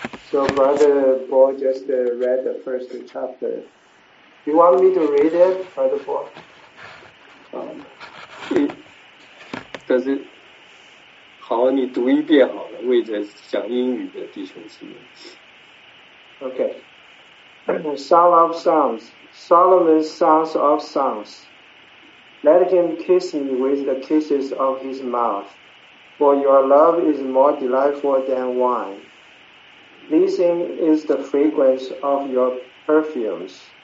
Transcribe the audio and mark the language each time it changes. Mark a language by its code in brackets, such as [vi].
[en] So, Brother Bo just read the first chapter. You want me to read it, Brother Paul? Does it? [zh] 好，你读一遍好了，为着讲英语的弟兄姊妹。 [en] Okay. Song of Songs, Solomon's Songs of Songs. Let him kiss me with the kisses of his mouth, for your love is more delightful than wine. Listen, is the fragrance of your perfumes.